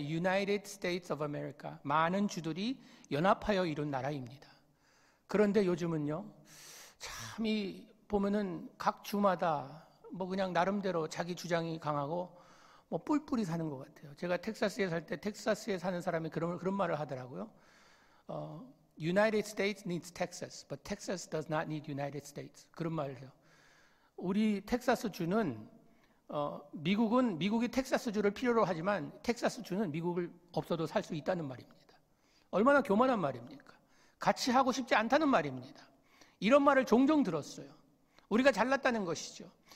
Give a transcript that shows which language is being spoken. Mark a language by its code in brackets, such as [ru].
[ko] United States of America, 많은 주들이 연합하여 이룬 나라입니다. 그런데 요즘은요, 참 이 보면은 각 주마다 뭐 그냥 나름대로 자기 주장이 강하고 뭐 뿔뿔이 사는 것 같아요. 제가 텍사스에 살 때 텍사스에 사는 사람이 그런 말을 하더라고요. [en] United States needs Texas, but Texas does not need United States. [ko] 그런 말이에요. 우리 텍사스 주는 미국은 미국이 텍사스 주를 필요로 하지만 텍사스 주는 미국을 없어도 살 수 있다는 말입니다. 얼마나 교만한 말입니까? 같이 하고 싶지 않다는 말입니다. 이런 말을 종종 들었어요. 우리가 잘났다는 것이죠.